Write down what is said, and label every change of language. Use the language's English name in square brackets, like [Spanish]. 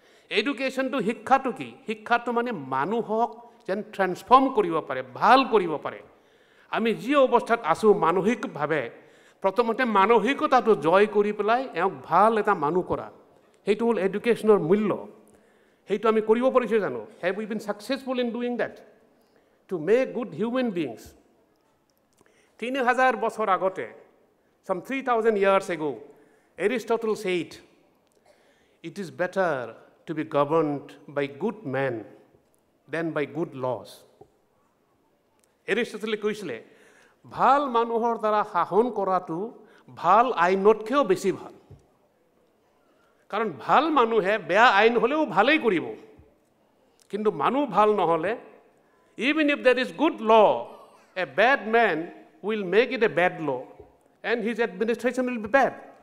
[Assamese] এডুকেশ্যনটো শিক্ষাটো কি? শিক্ষাটো মানে মানুহক যেন ট্ৰেন্সফৰ্ম কৰিব পাৰে, ভাল কৰিব পাৰে। আমি যি অৱস্থাত আছোঁ মানসিকভাৱে, প্ৰথমতে মানসিকতাটো জয় কৰি পেলাই এওঁক ভাল এটা মানুহ কৰা, সেইটো হ'ল এডুকেশ্যনৰ মূল্য। সেইটো আমি কৰিব পাৰিছোঁ জানো? [English] Have we been successful in doing that to make good human beings? 3000 [Assamese] বছৰ আগতে, [English] Some 3000 years ago, Aristotle said, it is better to be governed by good men than by good laws. [Assamese] এৰিষ্টটলে কৈছিলে ভাল মানুহৰ দ্বাৰা শাসন কৰাটো ভাল আইনতকৈও বেছি ভাল, কাৰণ ভাল মানুহে বেয়া আইন হ'লেও ভালেই কৰিব, কিন্তু মানুহ ভাল নহ'লে, [English] Even if that is good law, a bad men will make it a bad law and his administration will be bad.